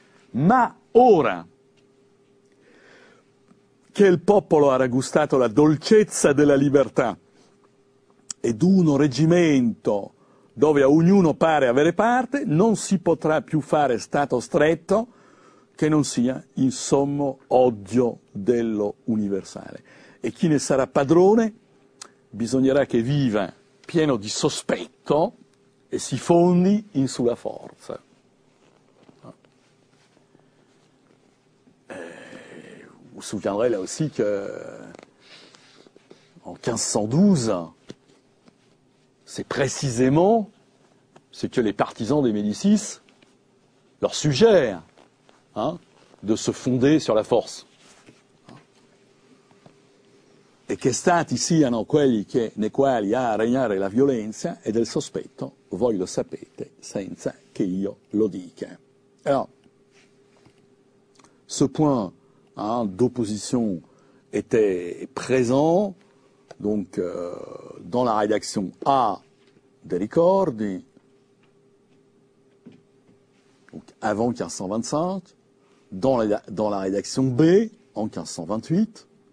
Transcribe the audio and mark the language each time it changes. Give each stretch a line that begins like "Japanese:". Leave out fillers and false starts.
Italian: Ma ora che il popolo ha gustato la dolcezza della libertà ed uno reggimento dove a ognuno pare avere parte, non si potrà più fare stato stretto che non sia in sommo odio dello universale. E chi ne sarà padrone bisognerà che viva pieno di sospetto e si fondi in sulla forza.
French: Vous vous souviendrez là aussi que en 1512, c'est précisément ce que les partisans des Médicis leur suggèrent, hein, de se fonder sur la force.
Italian: E che stati siano quelli che, nei quali ha a regnare la violenza e del sospetto, voi lo sapete senza che io lo dica.
French: Alors, ce point d'opposition était présent, donc dans la rédaction A des Ricordi, donc avant 1525, dans la rédaction B en 1528.